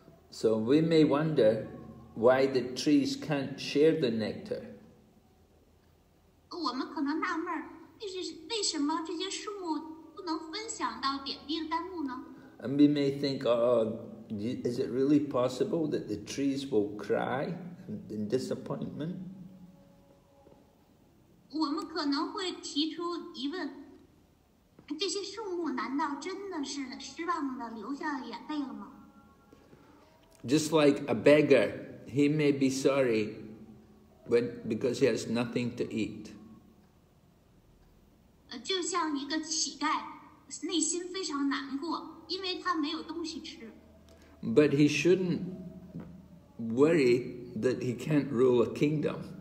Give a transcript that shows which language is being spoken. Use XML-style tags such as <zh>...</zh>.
<en>So we may wonder why the trees can't share the nectar.</en> <zh>我们可能纳闷, 为什么这些树木不能分享到点滴的甘露呢？</zh> <en>And we may think, oh, is it really possible that the trees will cry in disappointment?</en> <zh>我们可能会提出疑问，这些树木难道真的是失望的流下了眼泪了吗？</zh> <en>Just like a beggar, he may be sorry because he has nothing to eat.</en> <zh>就像一个乞丐，内心非常难过，因为他没有东西吃。</zh> <en>But he shouldn't worry that he can't rule a kingdom.</en>